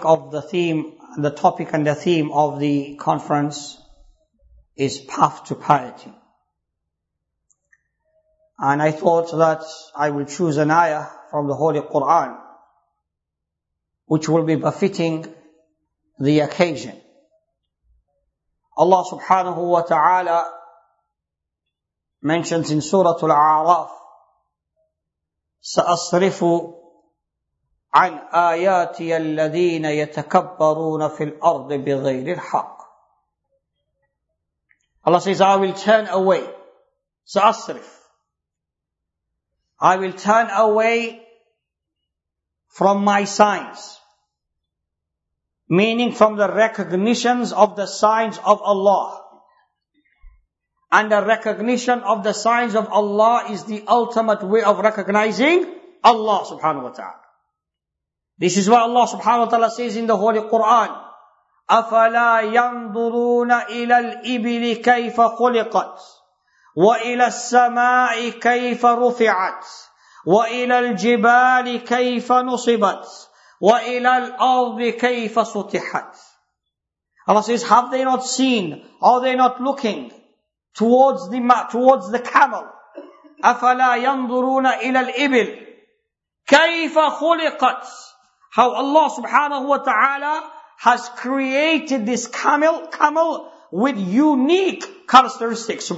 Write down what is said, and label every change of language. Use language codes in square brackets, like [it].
[en] The topic and the theme of the conference is Path to Piety. And I thought that I will choose an ayah from the Holy Quran, which will be befitting the occasion. Allah subhanahu wa ta'ala mentions in Surah Al-A'raf, [ar] سَأَصْرِفُ عَنْ آيَاتِيَ الَّذِينَ يَتَكَبَّرُونَ فِي الْأَرْضِ بِغَيْرِ الْحَقِّ. [en] Allah says, I will turn away from my signs, meaning from the recognitions of the signs of Allah. And the recognition of the signs of Allah is the ultimate way of recognizing Allah subhanahu wa ta'ala. This is why Allah subhanahu wa ta'ala says in the Holy Quran, [ar] أَفَلَا يَنْظُرُونَ إِلَى الْإِبِلِ كَيْفَ خُلِقَتْ وَإِلَى السَّمَاءِ كَيْفَ رُفِعَتْ وَإِلَى الْجِبَالِ كَيْفَ نُصِبَتْ وَإِلَى الْأَرْضِ كَيْفَ سُطِحَتْ. [en] Allah says, have they not seen? Are they not looking towards the camel? [ar] أَفَلَا يَنْظُرُونَ إِلَى الْإِبِلِ كَيْفَ خُلِقَتْ. [en] How Allah subhanahu wa ta'ala has created this camel with unique characteristics.